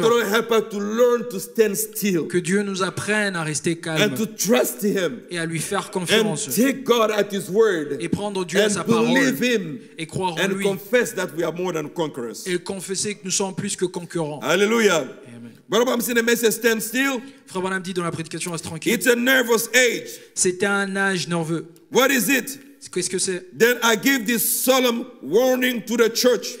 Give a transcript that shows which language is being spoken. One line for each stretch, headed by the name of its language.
English: May the Lord help us to learn to stand still.
French: Que Dieu nous apprenne à rester calme,
English: and to trust him,
French: et à lui faire confiance,
English: and take God at his word,
French: et prendre Dieu à sa parole,
English: and believe him,
French: et croire en lui,
English: and confess that we are more than conquerors,
French: et confesser que nous sommes plus que concurrents. Alléluia. Frère Branham dit dans la prédication,
English: stand still.
French: Frère Branham dit dans la prédication, reste tranquille.
English: It's a nervous age.
French: C'est un âge nerveux.
English: What is it?
French: Qu'est-ce que c'est?
English: Then I give this solemn warning to the church.